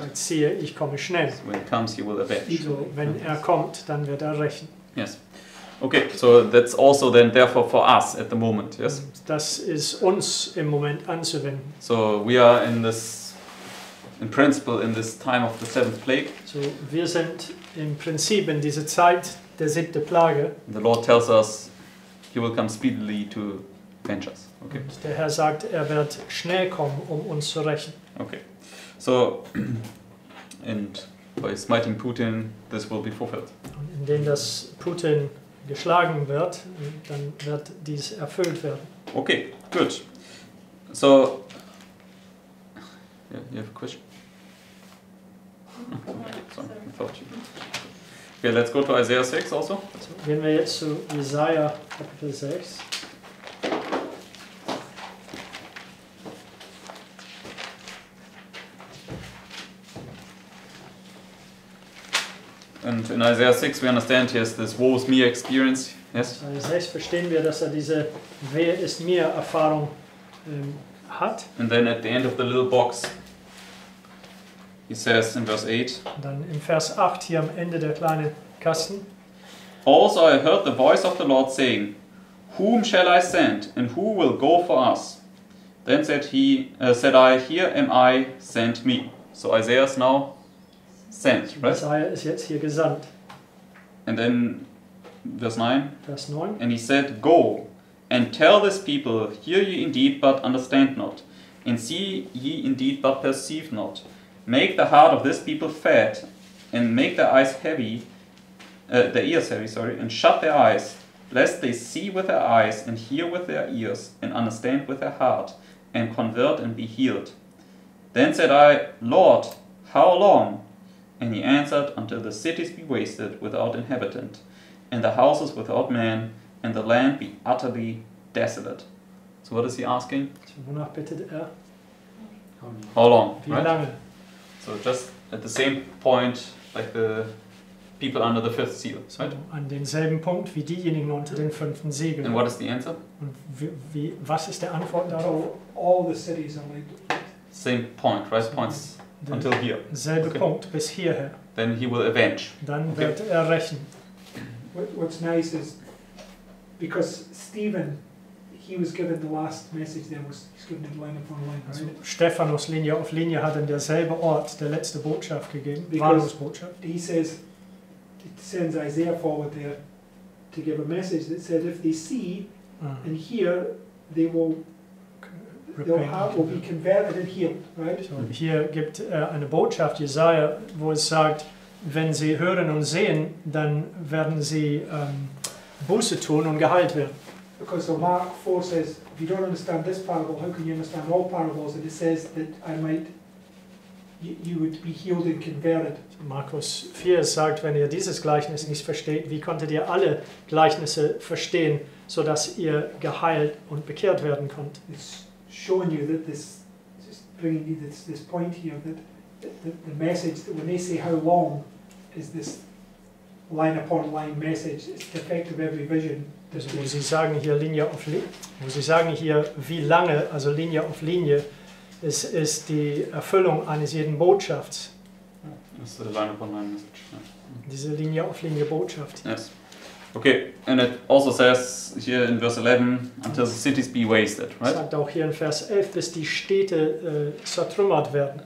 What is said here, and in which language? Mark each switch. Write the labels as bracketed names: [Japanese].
[German] Sagt, siehe, ich komme schnell. So [English] when he comes, he will avenge. [German] Also, wenn er kommt, dann wird rächen. [English] Yes. Okay, so that's also then therefore for us at the moment, yes? [German] Das ist uns im Moment anzuwenden. [English] So we are in this in principle, in this time of the seventh plague. [German] So, wir sind im Prinzip in dieser Zeit der siebte Plage. [English] The Lord tells us, He will come speedily to avenge us. Okay. [German] Und der Herr sagt, wird schnell kommen, uns zu rächen. [English] Okay. So, and by smiting Putin, this will be fulfilled. [German] Und indem das Putin geschlagen wird, dann wird dies erfüllt werden. [English] Okay, good. So, yeah, you have a question? Okay, sorry, I thought you... Okay, let's go to Isaiah 6 also. [German] So, gehen wir jetzt zu Isaiah, Kapitel 6. [English] And in Isaiah 6 we understand he has this woe is me experience. Yes? [German] In Isaiah 6 verstehen wir, dass diese wer ist mir Erfahrung hat. [English] And then at the end of the little box, he says in verse 8, [German] dann in Vers 8 hier am Ende der kleine Kasten. [English] Also I heard the voice of the Lord saying, Whom shall I send, and who will go for us? Then said he, said I, Here am I, send me. So Isaiah is now sent, right? Isaiah ist jetzt hier gesandt. And then verse 9. Vers 9. And he said, Go, and tell this people, Hear ye indeed, but understand not, and see ye indeed, but perceive not. Make the heart of this people fat, and make their eyes heavy, their ears heavy, sorry, and shut their eyes, lest they see with their eyes, and hear with their ears, and understand with their heart, and convert and be healed. Then said I, Lord, how long? And he answered, until the cities be wasted without inhabitant, and the houses without man, and the land be utterly desolate. So what is he asking? [German] Wonach bittet er? [English] How long? [German] Wie [English] right? [German] lange? [English] So just at the same point, like the people under the fifth seal, right? [German] An demselben Punkt wie diejenigen unter den fünften Siegeln. [English] And what is the answer? [German] Und wie was ist der Antwort darauf? [English] All the cities are like... Same point, right? Points until here. [German] Selbe okay. Punkt bis hierher. [English] Then he will avenge. [German] Dann okay. wird rächen. [English] What's nice is, because Stephen, he was given the last message there, he's given it line upon line, right? [German] So Stephanus, Linie auf Linie, hat an derselbe Ort der letzte Botschaft gegeben, Warnungsbotschaft. [English] He says, it sends Isaiah forward there, to give a message that said if they see and hear, they will be converted and healed, right? [German] So hier gibt eine Botschaft Jesaja, wo es sagt, wenn sie hören und sehen, dann werden sie Buße tun und geheilt werden. [English] Because so Mark 4 says, if you don't understand this parable, how can you understand all parables? And it says that I might, you would be healed and converted. [German] So Markus 4 sagt, wenn ihr dieses Gleichnis nicht versteht, wie konntet ihr alle Gleichnisse verstehen, so dass ihr geheilt und bekehrt werden könnt? [English] It's showing you that this, just bringing you this point here, that the message, that when they say how long is this line upon line message, it's the effect of every vision. [German] Also, wo sie sagen hier Linie auf Linie, wo sie sagen hier wie lange, also Linie auf Linie, es ist die Erfüllung eines jeden Botschafts. Das ist [English] line upon line message. Yeah. [German] Diese Linie auf Linie Botschaft. [English] Yes. Okay, and it also says here in verse 11, until the cities be wasted, right? [German] Sagt auch hier in Vers 11, bis die Städte zertrümmert werden.